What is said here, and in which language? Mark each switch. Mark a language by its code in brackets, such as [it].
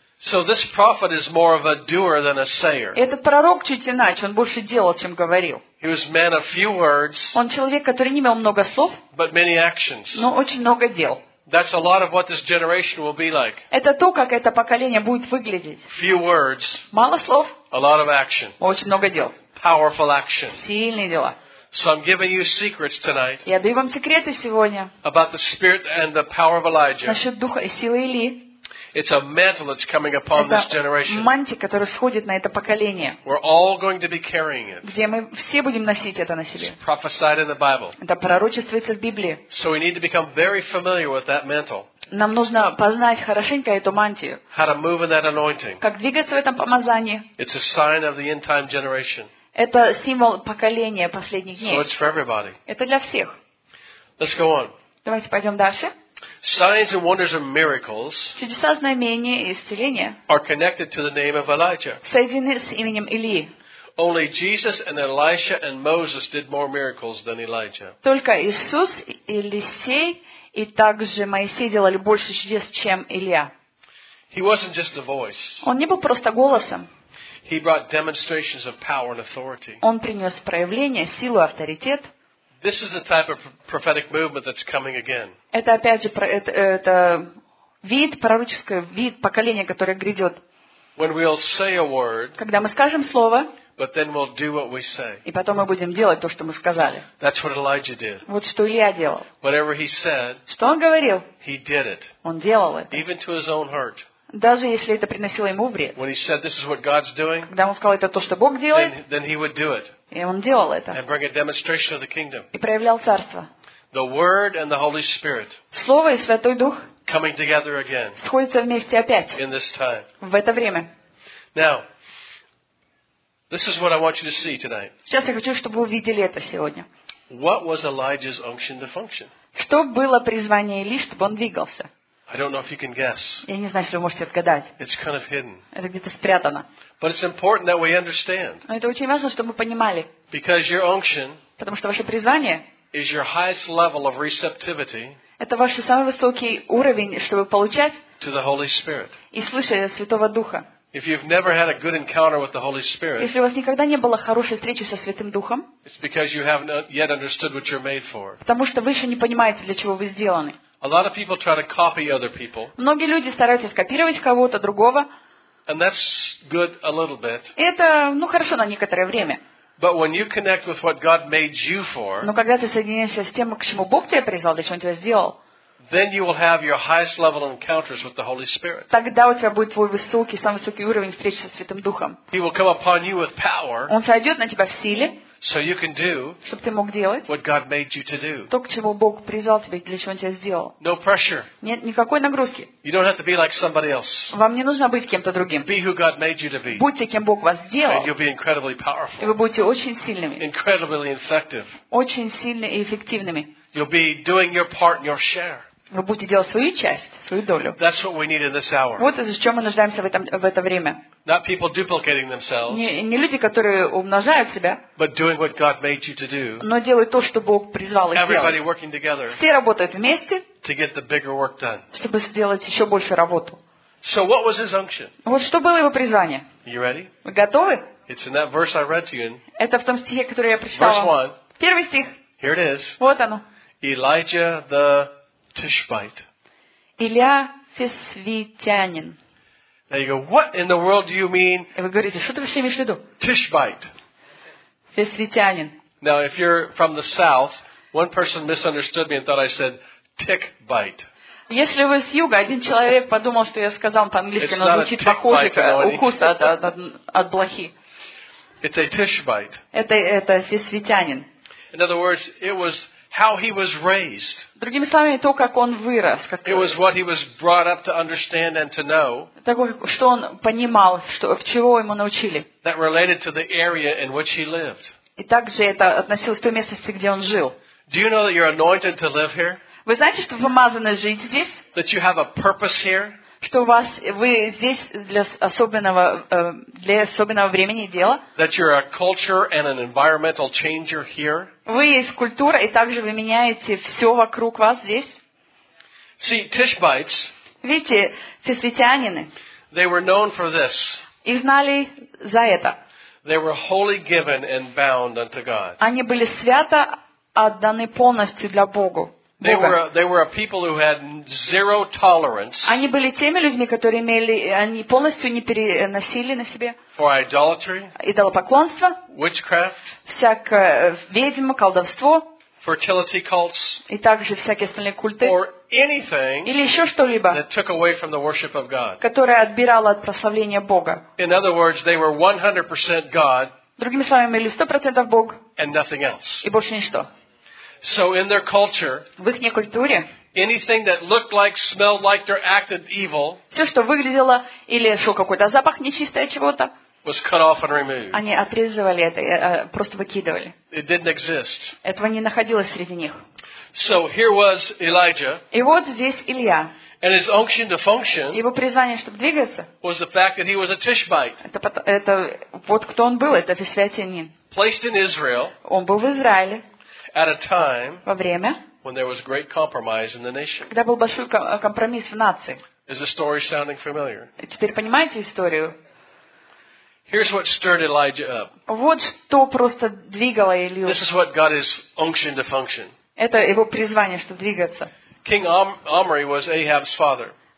[en] So this prophet is more of a doer than a sayer. [ru] Этот пророк чуть иначе, он больше делал, чем говорил. [en] He was a man of few words. [ru] Он человек, который не имел много слов. [en] But many actions. [ru] Но очень много дел. [en] That's a lot of what this generation will be like. [ru] Это то, как это поколение будет выглядеть. [en] Few words. [ru] Мало слов. [en] A lot of action. [ru] Очень много дел. [en] Powerful action. [ru] Сильные дела. [en] So I'm giving you secrets tonight. [ru] Я даю вам секреты сегодня. [en] About the spirit and the power of Elijah. [ru] Насчет духа и силы Илии. [en] It's a mantle that's coming upon this generation. [ru] Это мантия, которая сходит на это поколение. [en] We're all going to be carrying it. [ru] Где мы все будем носить это на себе? [en] It's prophesied in the Bible. [ru] Это пророчествуется в Библии. [en] So we need to become very familiar with that mantle. [ru] Нам нужно познать хорошенько эту мантию. [en] How to move in that anointing. [ru] Как двигаться в этом помазании? [en] It's a sign of the end time generation. [ru] Это символ поколения последних дней. [en] So it's for everybody. [ru] Это для всех. [en] Let's go on. [ru] Давайте пойдем дальше. [en] Signs and wonders and miracles. [ru] Чудеса, знамения и исцеления. [en] Are connected to the name of Elijah. [ru] Соединены с именем Илии. [en] Only Jesus and Elisha and Moses did more miracles than Elijah. [ru] Только Иисус, Елисей и также Моисей делали больше чудес, чем Илия. [en] He wasn't just a voice. [ru] Он не был просто голосом. [en] He brought demonstrations of power and authority. [ru] Он принес проявление силы и авторитет. [en] This is the type of prophetic movement that's coming again. [ru] Это опять же это вид пророческое вид поколения, которое грядет. [en] When we'll say a word. [ru] Когда мы скажем слово. [en] But then we'll do what we say. [ru] И потом мы будем делать то, что мы сказали. [en] That's what Elijah did. [ru] Вот что Илия делал. [en] Whatever he said. [ru] Что он говорил? [en] He did it. [ru] Он делал это. [en] Even to his own hurt. [ru] Даже если это приносило ему вред. [en] When he said this is what God's doing. [ru] Когда он сказал это то, что Бог делает. [en] Then he would do it. [ru] И он делал это. [en] And bring a demonstration of the kingdom. [ru] И проявлял царство. [en] The word and the Holy Spirit. [ru] Слово и Святой Дух. [en] Coming together again. [ru] Сходятся вместе опять. [en] In this time. [ru] В это время. [en] Now, this is what I want you to see tonight. [ru] Сейчас я хочу, чтобы вы увидели это сегодня. [en] What was Elijah's unction to function? [ru] Что было призвание Илии, чтобы он двигался? [en] I don't know if you can guess. [ru] Я не знаю, если вы можете отгадать. [en] It's kind of hidden. [ru] Это где-то спрятано. [en] But it's important that we understand. [ru] Но это очень важно, чтобы мы понимали. [en] Because your unction. [ru] Потому что ваше призвание. [en] Is your highest level of receptivity. [ru] Это ваш самый высокий уровень, чтобы получать. [en] To the Holy Spirit. [ru] И слышать Святого Духа. [en] If you've never had a good encounter with the Holy Spirit. [ru] Если у вас никогда не было хорошей встречи со Святым Духом. [en] It's because you haven't yet understood what you're made for. [ru] Потому что вы еще не понимаете, для чего вы сделаны. [en] A lot of people try to copy other people. [ru] Многие люди стараются скопировать кого-то другого. [en] And that's good a little bit. [ru] Это, ну, хорошо на некоторое время. [en] But when you connect with what God made you for. [ru] Но когда ты соединяешься с тем, к чему Бог тебя призвал, для чего он тебя сделал. [en] Then you will have your highest level encounters with the Holy Spirit. [ru] Тогда у тебя будет твой высокий, самый высокий уровень встречи со Святым Духом. [en] He will come upon you with power. [ru] Он сойдет на тебя в силе. [en] So you can do [ru] чтобы ты мог делать [en] what God made you to do. [ru] То, к чему Бог призвал тебя, для чего он тебя сделал. [en] No pressure. [ru] Нет никакой нагрузки. [en] You don't have to be like somebody else. [ru] Вам не нужно быть кем-то другим. [en] Be who God made you to be. [ru] Будьте, кем Бог вас сделал. [en] And you'll be incredibly powerful. [ru] И вы будете очень сильными. [en] Incredibly effective. [ru] Очень сильными и эффективными. [en] You'll be doing your part and your share. [ru] Вы будете делать свою часть, свою долю. [en] That's what we need in this hour. [ru] Вот из чего мы нуждаемся в это время. [en] Not people duplicating themselves. [ru] Не люди, которые умножают себя. [en] But doing what God made you to do. [ru] Но делать то, что Бог призвал их делать. [en] Everybody working together. [ru] Все работают вместе. [en] To get the bigger work done. [ru] Чтобы сделать еще больше работу. [en] So what was his unction? [ru] Вот что было его призвание. [en] You ready? [ru] Вы готовы? [en] It's in that verse I read to you. [ru] Это в том стихе, который я прочитала. [en] Verse 1. [ru] Первый стих. [en] Here it is. [ru] Вот оно. [en] Elijah the Tishbite. [ru] Илия Тисвитянин. [en] Now you go, what in the world do you mean? [ru] И вы говорите, что ты вообще имеешь в виду? [en] Tishbite. [ru] Тисвитянин. [en] Now, if you're from the south, one person misunderstood me and thought I said tick bite. [ru] Если вы с юга, один человек подумал, что я сказал по-английски, но звучит похоже, как укус от блохи. [en] It's a Tishbite. [ru] Это Тисвитянин. [en] In other words, it was how he was raised. [ru] Другими словами, то, как он вырос. [en] It was what he was brought up to understand and to know. [ru] Что он понимал, что чего ему научили. [en] That related to the area in which he lived. [ru] И также это относилось к той местности, где он жил. [en] Do you know that you're anointed to live here? [ru] Вы знаете, что вы помазаны жить здесь? [en] That you have a purpose here? [ru] Что вы здесь для особенного времени и дела. [en] That you're a culture and an environmental changer here. [ru] Вы есть культура, и также вы меняете все вокруг вас здесь. [en] See, Tishbites, [ru] видите, тисвитянины, [en] they were known for this. [ru] И знали за это. [en] They were wholly given and bound unto God. [ru] Они были свято отданы полностью для Бога. [en] They were a people who had zero tolerance. [ru] Они были теми людьми, которые имели, они полностью не переносили на себе. [en] For idolatry. [ru] Идолопоклонство. [en] Witchcraft. [ru] Всякое ведьмо, колдовство. [en] Fertility cults. [ru] И также всякие остальные культы. [en] Or anything. [ru] Или еще что-либо. [en] That took away from the worship of God. [ru] Которое отбирало от прославления Бога. [en] In other words, they were 100% God. [ru] Другими словами, были 100% Бог. [en] And nothing else. [ru] И больше ничто. [en] So in their culture, [ru] в их культуре, [en] anything that looked like, smelled like, or acted evil, [ru] все, что выглядело или шел какой-то запах нечистое чего-то, [en] was cut off and removed. [ru] Они отрезывали это, просто выкидывали. [en] It didn't exist. [ru] Этого не находилось среди них. [en] So here was Elijah. [ru] И вот здесь Илья. [en] And his unction to function, [ru] его призвание, чтобы двигаться, [en] was the fact that he was a Tishbite. [ru] Это вот кто он был, это Тисвитянин. [en] Placed in Israel. [ru] Он был в Израиле. [en] At a time [ru] во время, [en] when there was great compromise in the nation. [ru] Когда был большой компромисс в нации. [en] Is the story sounding familiar? [ru] Теперь понимаете историю? [en] Here's what stirred Elijah up. [ru] Вот что просто двигало Илью. [en] This is what got his unction to function. [ru] Это его призвание, чтобы двигаться. [en] King Omri was Ahab's father.